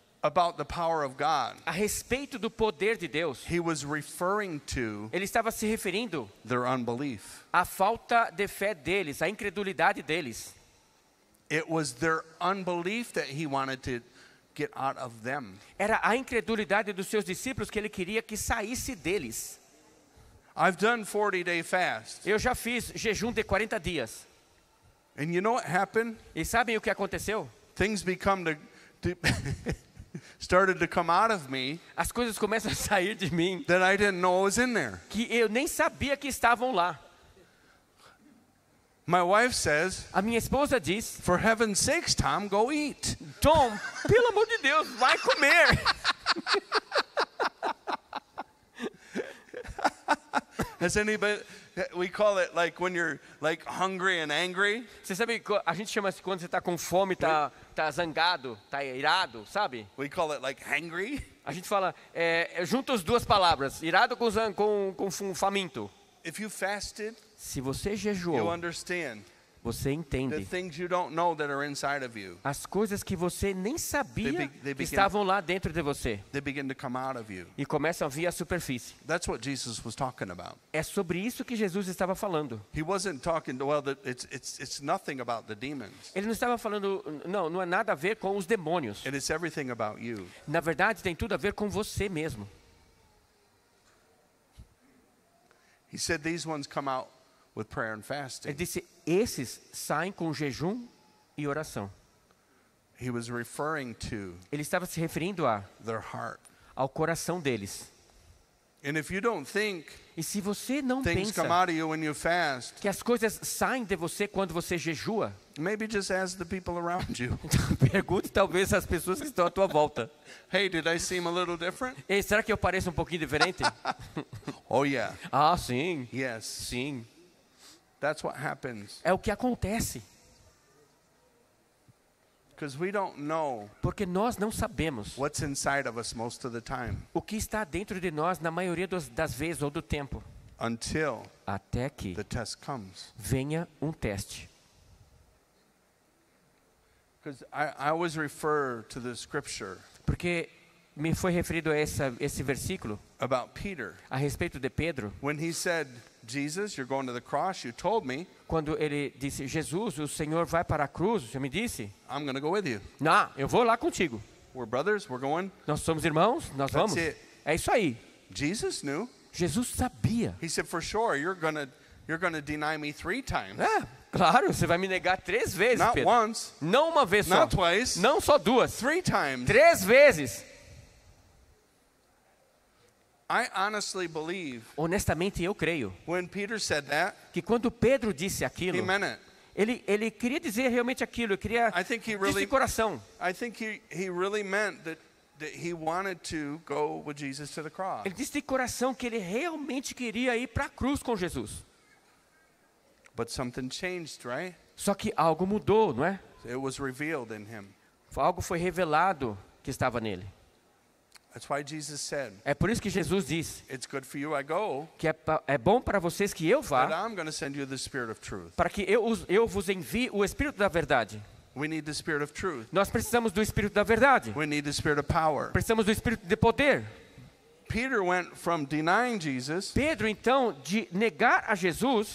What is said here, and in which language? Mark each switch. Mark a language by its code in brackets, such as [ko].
[en] about the power of God. [pt] A respeito do poder de Deus. [en] He was referring to. [pt] Ele estava se referindo. [en] Their unbelief. [pt] A falta de fé deles, a incredulidade deles. [en] It was their unbelief that he wanted to get out of them. [pt] Era a incredulidade dos seus discípulos que ele queria que saísse deles. [en] I've done 40 day fast. [pt] Eu já fiz jejum de 40 dias. [en] And you know what happened? [pt] E sabem o que aconteceu? [en] Things become to started to come out of me. [pt] As coisas começam a sair de mim. [en] That I didn't know was in there. [pt] Que eu nem sabia que estavam lá. [en] My wife says. [pt] A minha esposa diz. [en] For heaven's sake, Tom, go eat. [pt] Tom, pelo amor de Deus, vai comer. [en] Has anybody? We call it like when you're like hungry and angry. [pt] Você sabe, a gente chama isso quando você está com fome, tá zangado, tá irado, sabe? [en] We call it like hangry. [pt] A gente fala, junta as duas palavras, irado com faminto. [en] If you fasted, [pt] se você jejuou, [en] you understand. [pt] Você entende. [en] The things you don't know that are inside of you. [pt] As coisas que você nem sabia que estavam lá dentro de você. [en] They begin to come out of you. [pt] E começam a vir à superfície. [en] That's what Jesus was talking about. [pt] É sobre isso que Jesus estava falando. [en] He wasn't talking it's nothing about the demons. [pt] Ele não estava falando, não é nada a ver com os demônios. [en] It is everything about you. [pt] Na verdade, tem tudo a ver com você mesmo. [en] He said these ones come out with prayer and fasting. [pt] Ele disse, esses saem com jejum e oração. [en] He was referring to. [pt] Ele estava se referindo a. [en] Their heart. [pt] Ao coração deles. [en] And if you don't think. [pt] E se você não [en] things Things come out of you when you fast. [pt] Que as coisas saem de você quando você jejua. [en] Maybe just ask the people around you. [pt] Pergunte talvez às pessoas que estão à tua volta. [en] Hey, did I seem a little different? [pt] Ei, será que eu pareço um pouquinho diferente? [en] Oh yeah. [pt] Ah, sim. [en] Yes. [pt] Sim. [en] That's what happens. [pt] É o que acontece. [en] Because we don't know. [pt] Porque nós não sabemos. [en] What's inside of us most of the time. [pt] O que está dentro de nós na maioria das vezes ou do tempo. [en] Until. [pt] Até que. [en] The test comes. [pt] Venha teste. [en] Because I always refer to the scripture. [pt] Porque me foi referido a esse versículo. [en] About Peter. [pt] A respeito de Pedro. [en] When he said. Jesus, you're going to the cross, you told me. [pt] Quando ele disse, Jesus, o Senhor vai para a cruz, o Senhor me disse. [en] I'm going to go with you. [pt] Nah, eu vou lá contigo. [en] We're brothers, we're going. [pt] Nós somos irmãos, nós vamos. [en] That's it. [pt] É isso aí. [en] Jesus knew. [pt] Jesus sabia. [en] He said, for sure, you're going to deny me 3 times. [pt] É, claro, você vai me negar 3 vezes, [en] Not [pt] Pedro. [en] Not once. [pt] Não uma vez só. [en] Not twice. [pt] Não só duas. [en] 3 times. [pt] 3 vezes. [en] I honestly believe. [pt] Honestamente, eu creio. [en] When Peter said that, [pt] que quando Pedro disse aquilo, [en] he meant it. [pt] Ele queria dizer realmente aquilo. Ele queria [en] really, [pt] disse coração. [en] I think he really meant that he wanted to go with Jesus to the cross. [pt] Ele disse de coração que ele realmente queria ir para a cruz com Jesus. [en] But something changed, right? [pt] Só que algo mudou, não é? [en] It was revealed in him. [pt] Algo foi revelado que estava nele. [en] That's why Jesus said. [pt] É por isso que Jesus disse. [en] It's good for you I go. [pt] Que é bom para vocês que eu vá. [en] But I'm going to send you the Spirit of Truth. [pt] Para que eu vos envie o Espírito da verdade. [en] We need the Spirit of Truth. [pt] Nós precisamos do Espírito da verdade. [en] We need the Spirit of Power. [pt] Precisamos do Espírito de poder. [en] Peter went from denying Jesus. [pt] Pedro então de negar a Jesus.